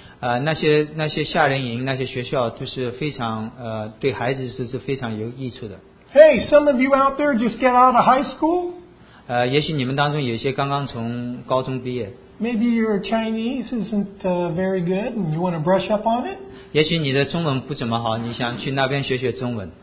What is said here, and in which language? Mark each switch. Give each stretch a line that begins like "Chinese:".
Chinese: 那些夏令营，那些学校都是非常对孩子是非常有益处的。
English: Hey, some of you out there just get out of high school.
Chinese: 也许你们当中有些刚刚从高中毕业。
English: Maybe your Chinese isn't very good, and you want to brush up on it.
Chinese: 也许你的中文不怎么好，你想去那边学学中文。